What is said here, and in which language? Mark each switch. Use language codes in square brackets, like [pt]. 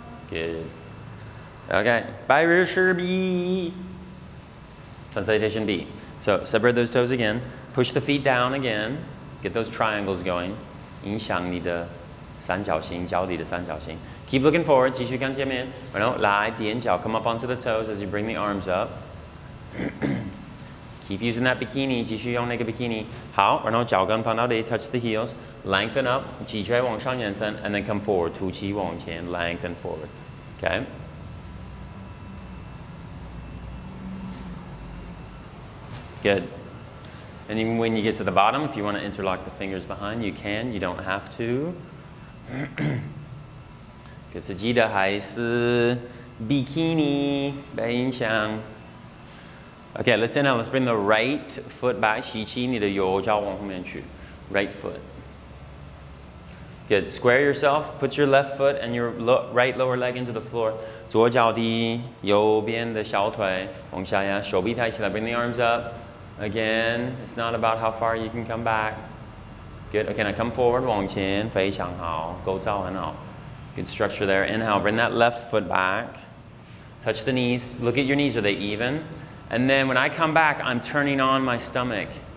[en] Good. Okay, by Rishir B. Sensation B. So separate those toes again. Push the feet down again. Get those triangles going. [zh] 影响你的三角形，脚底的三角形。 [en] Keep looking forward, [zh] 继续看前面。然后来踮脚 [en] ，come up onto the toes as you bring the arms up. Keep using that bikini, [zh] 继续用那个 bikini. 好，然后脚跟放到底 [en] ，touch the heels, lengthen up, [zh] 脊椎往上延伸 [en] ，and then come forward, [zh] 吐气往前 [en] ，lengthen forward. Okay. Good. And even when you get to the bottom, if you want to interlock the fingers behind, you can, you don't have to. [zh] 可是记得还是 bikini 被影响。 [en] Okay, let's inhale. Let's bring the right foot back. [zh] 吸气，你的右脚往后面去。 [en] Right foot. Good. Square yourself. Put your left foot and your right lower leg into the floor. [zh] 左脚的右边的小腿往下压，手臂抬起来。 [en] Bring the arms up. Again, it's not about how far you can come back. Good. Okay, now come forward. [zh] 往前非常好，构造很好。 [en] Good structure there. Inhale, bring that left foot back. Touch the knees. Look at your knees. Are they even? And then when I come back, I'm turning on my stomach.